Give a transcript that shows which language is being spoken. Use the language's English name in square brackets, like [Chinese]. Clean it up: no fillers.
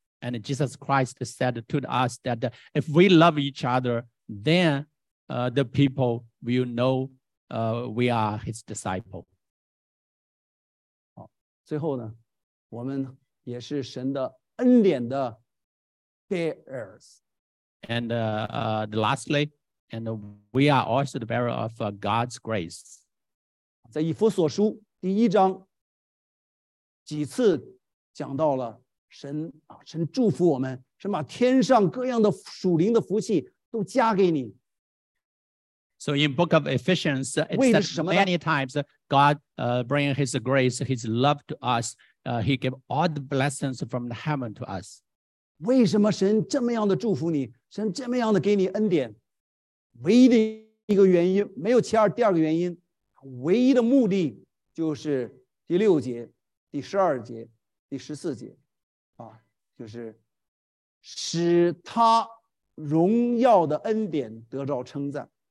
[English] And Jesus Christ said to us that if we love each other, then the people will know we are his disciple. [Chinese] 好，最后呢，我们也是神的恩典的 bearers. [English] And lastly, and we are also the bearer of God's grace. [Chinese] 在以弗所书第一章几次讲到了神啊，神祝福我们，神把天上各样的属灵的福气都加给你。 [English] So in Book of Ephesians, it said many times God bring His grace, His love to us. He gave all the blessings from the heaven to us. [Chinese] 为什么神这么样的祝福你？神这么样的给你恩典？唯一的一个原因，没有其二，第二个原因，唯一的目的就是第六节。第十二节第十四节就是使他荣耀的恩典得着称赞。